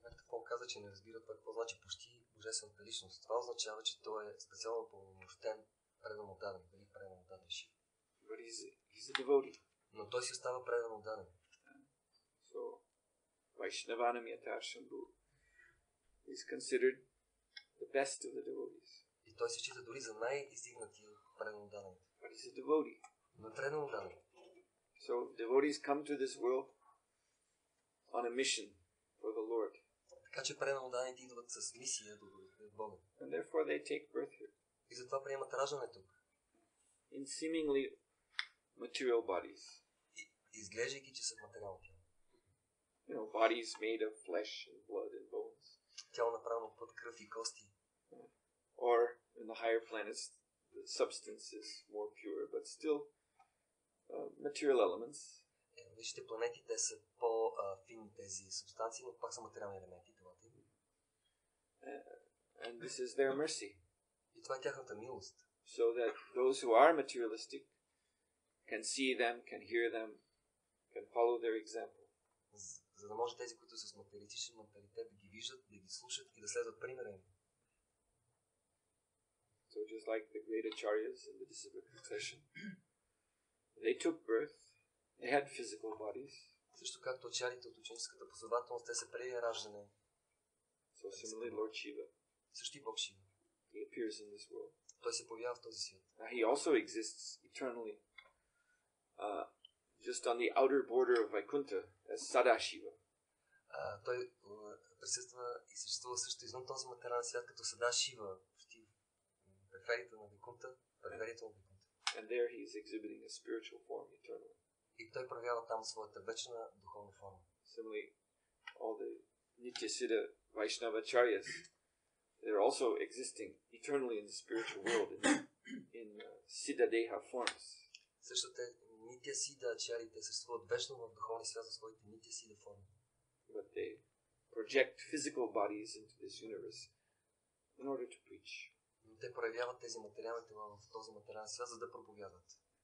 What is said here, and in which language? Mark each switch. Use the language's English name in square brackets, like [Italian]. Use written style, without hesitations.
[Bulgarian] Пол каза, че не разбира това какво значи почти божествената личност. Това означава, че той е специално упълномощен, предан отдаден, дали предан отдаден Шива. [English] But he's a devotee. [Bulgarian] Но той си остава предан отдаден. [English] So, Vaishnavanam Yatarsham Bhu is considered the best of the devotees. [Bulgarian] И той се счита дори за най-издигнати предан отдаден. [English] But he's a devotee. [Bulgarian] Но предан отдаден. [English] So, devotees come to this world on a mission for the Lord. [Bulgarian] Така че преданите идват с мисия до Бога. [English] And therefore they take birth here. [Bulgarian] И затова приемат раждане тук. [English] In seemingly material bodies. [Bulgarian] Изглеждайки, че са материал тяло. [English] You know, bodies made of flesh and blood and bones. [Bulgarian] Тяло направено от плът, кръв и кости. [English] Or in the higher planets, the substance is more pure, but still material elements. [Bulgarian] Вижте, планетите са по-фини тези субстанции, но пак са материални елементи. [English] And this is their mercy. [Bulgarian] И това е тяхната милост. [English] So that those who are materialistic can see them, can hear them, can follow their example. [Bulgarian] За да може тези, които са с материалистичен манталитет, да ги виждат, да ги слушат и да следват примера им. [English] So just like the great acharyas in the disciplic succession, they took birth, they had physical bodies. [Bulgarian] Също както ачарите от ученическата последователност, те са преди раждане. Също и Бог Шива. [English] He appears in this world. [Bulgarian] Той се появява в този свят. [English] He also exists eternally. Just on the outer border of Vaikuntha as Sadashiva. [Bulgarian] Той присъства и съществува също извън този материален свят като Sadashiva, в периферията на Vaikuntha, предварително Vaikuntha. [English] And there he is exhibiting a spiritual form eternally. [Bulgarian] И той проявява там своята вечна духовна форма. [English] Similarly, all the Nityasiddha Vaishnavacharyas, they're also existing eternally in the spiritual world in Siddha Deha forms. [Bulgarian] Същото Нитя Сида ачарите съществуват вечно в духовни свят за своите Нитя Сида форми. [English] But they project physical bodies into this universe in order to preach. [Bulgarian] Но те проявяват тези материални тела в този материален свят, за да проповядват.